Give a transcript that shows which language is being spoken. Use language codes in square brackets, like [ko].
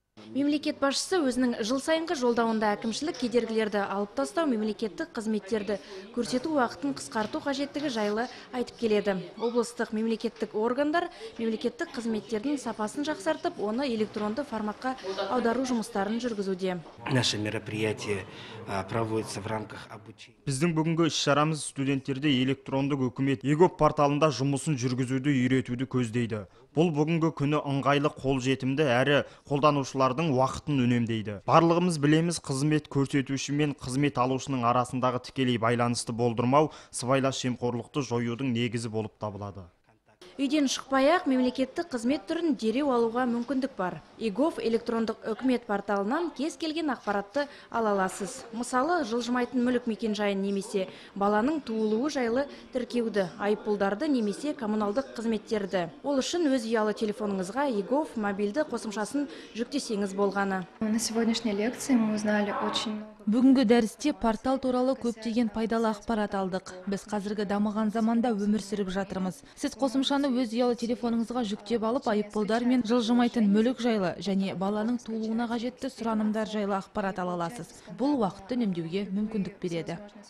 [kk] Мемлекет басшысы өзінің жыл сайынғы жолдауында әкімшілік кедергілерді алып тастау мемлекеттік қызметтерді көрсету уақытын қысқарту қажеттігі жайлы айтып келеді. Облыстық мемлекеттік органдар мемлекеттік қызметтердің сапасын жақсартып, оны электронды форматқа аудару жұмыстарын жүргізуде. [ru] Наше мероприятие проводится в рамках обучения. [kk] Біздің бүгінгі іс-шарамыз студенттерді электронды үкімет ЕГОП порталында жұмысын жүргізуді үйретуді көздейді. Бұл бүгінгі күні ыңғайлы қол жетімді әрі қолданушылардың уақытын үнемдейді. Барлығымыз білеміз, қызмет көрсетуші мен қызмет алушының арасындағы тікелей байланысты болдырмау сыбайлас жемқорлықты жоюдың негізі болып табылады. Үйден шықпай-ақ мемлекеттік қызмет түрін дереу алуға мүмкіндік бар. ЕГОВ электрондық үкімет порталынан кез келген ақпаратты ала аласыз. Мысалы, жылжымайтын мүлік мекенжайын немесе баланың туылуы жайлы тіркеуді, айыппұлдарды немесе коммуналдық қызметтерді. Ол үшін өз ұялы телефоныңызға ЕГОВ мобильді қосымшасын жүктесеңіз болғаны. [ru] На сегодняшней лекции мы узнали очень. [kk] Бүгінгі дәрісте портал туралы көптеген пайдалы ақпарат алдық. Біз қазіргі дамыған заманда өмір сүріп жатырмыз. Сіз қосымшаны өз ұялы телефоныңызға жүктеп алып, айыппұлдар мен жылжымайтын мүлік жайлы және баланың туылуына қажетті сұранымдар жайлы ақпарат ала аласыз. Бұл уақытты үнемдеуге мүмкіндік береді.